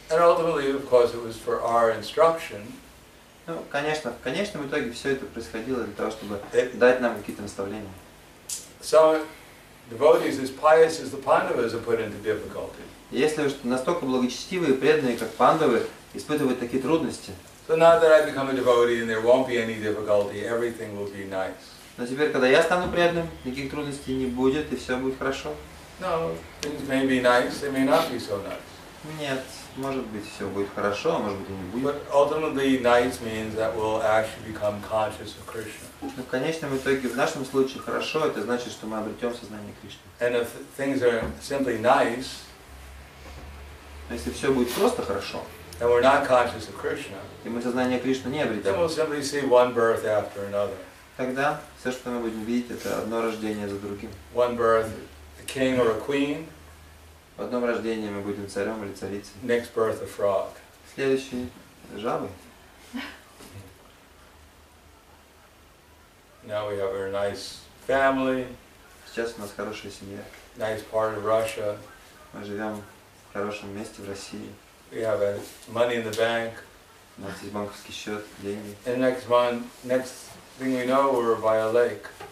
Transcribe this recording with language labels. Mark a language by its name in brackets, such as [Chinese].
[English] And ultimately, of course, it was for our instruction. [Russian] Ну, конечно, в конечном итоге все это происходило для того, чтобы дать нам какие-то наставления. [English] So devotees as pious as the Pandavas are put into difficulty. [Russian] Если уж настолько благочестивые и преданные, как Пандавы, испытывают такие трудности. [English] So now that I become a devotee, and there won't be any difficulty, everything will be nice. [Russian] Но теперь, когда я стану преданным, никаких трудностей не будет, и все будет хорошо. [English] No, things may be nice, they may not be so nice. [Russian] Нет, может быть, все будет хорошо, а может быть, и не будет. [English] But ultimately, nice means that we'll actually become conscious of Krishna. [Russian] Но в конечном итоге, в нашем случае, хорошо, это значит, что мы обретем сознание Кришны. [English] And if things are simply nice, [Russian] но если все будет просто хорошо, [English] and we're not conscious of Krishna, [Russian] и мы сознание Кришны не обретем, [English] then we'll simply see one birth after another. [Russian] Тогда все, что мы будем видеть, это одно рождение за другим. [English] One birth, a king or a queen. [Russian] В одном рождении мы будем царем или царицей. [English] Next birth, a frog. [Russian] Следующий – жабы. [English] Now we have our nice family. [Russian] Сейчас у нас хорошая семья. [English] Nice part of Russia. [Russian] Мы живем в хорошем месте в России. [English] We have money in the bank. [Russian] У нас есть банковский счет, деньги. [English] And next month, next thing we know, we're by a lake.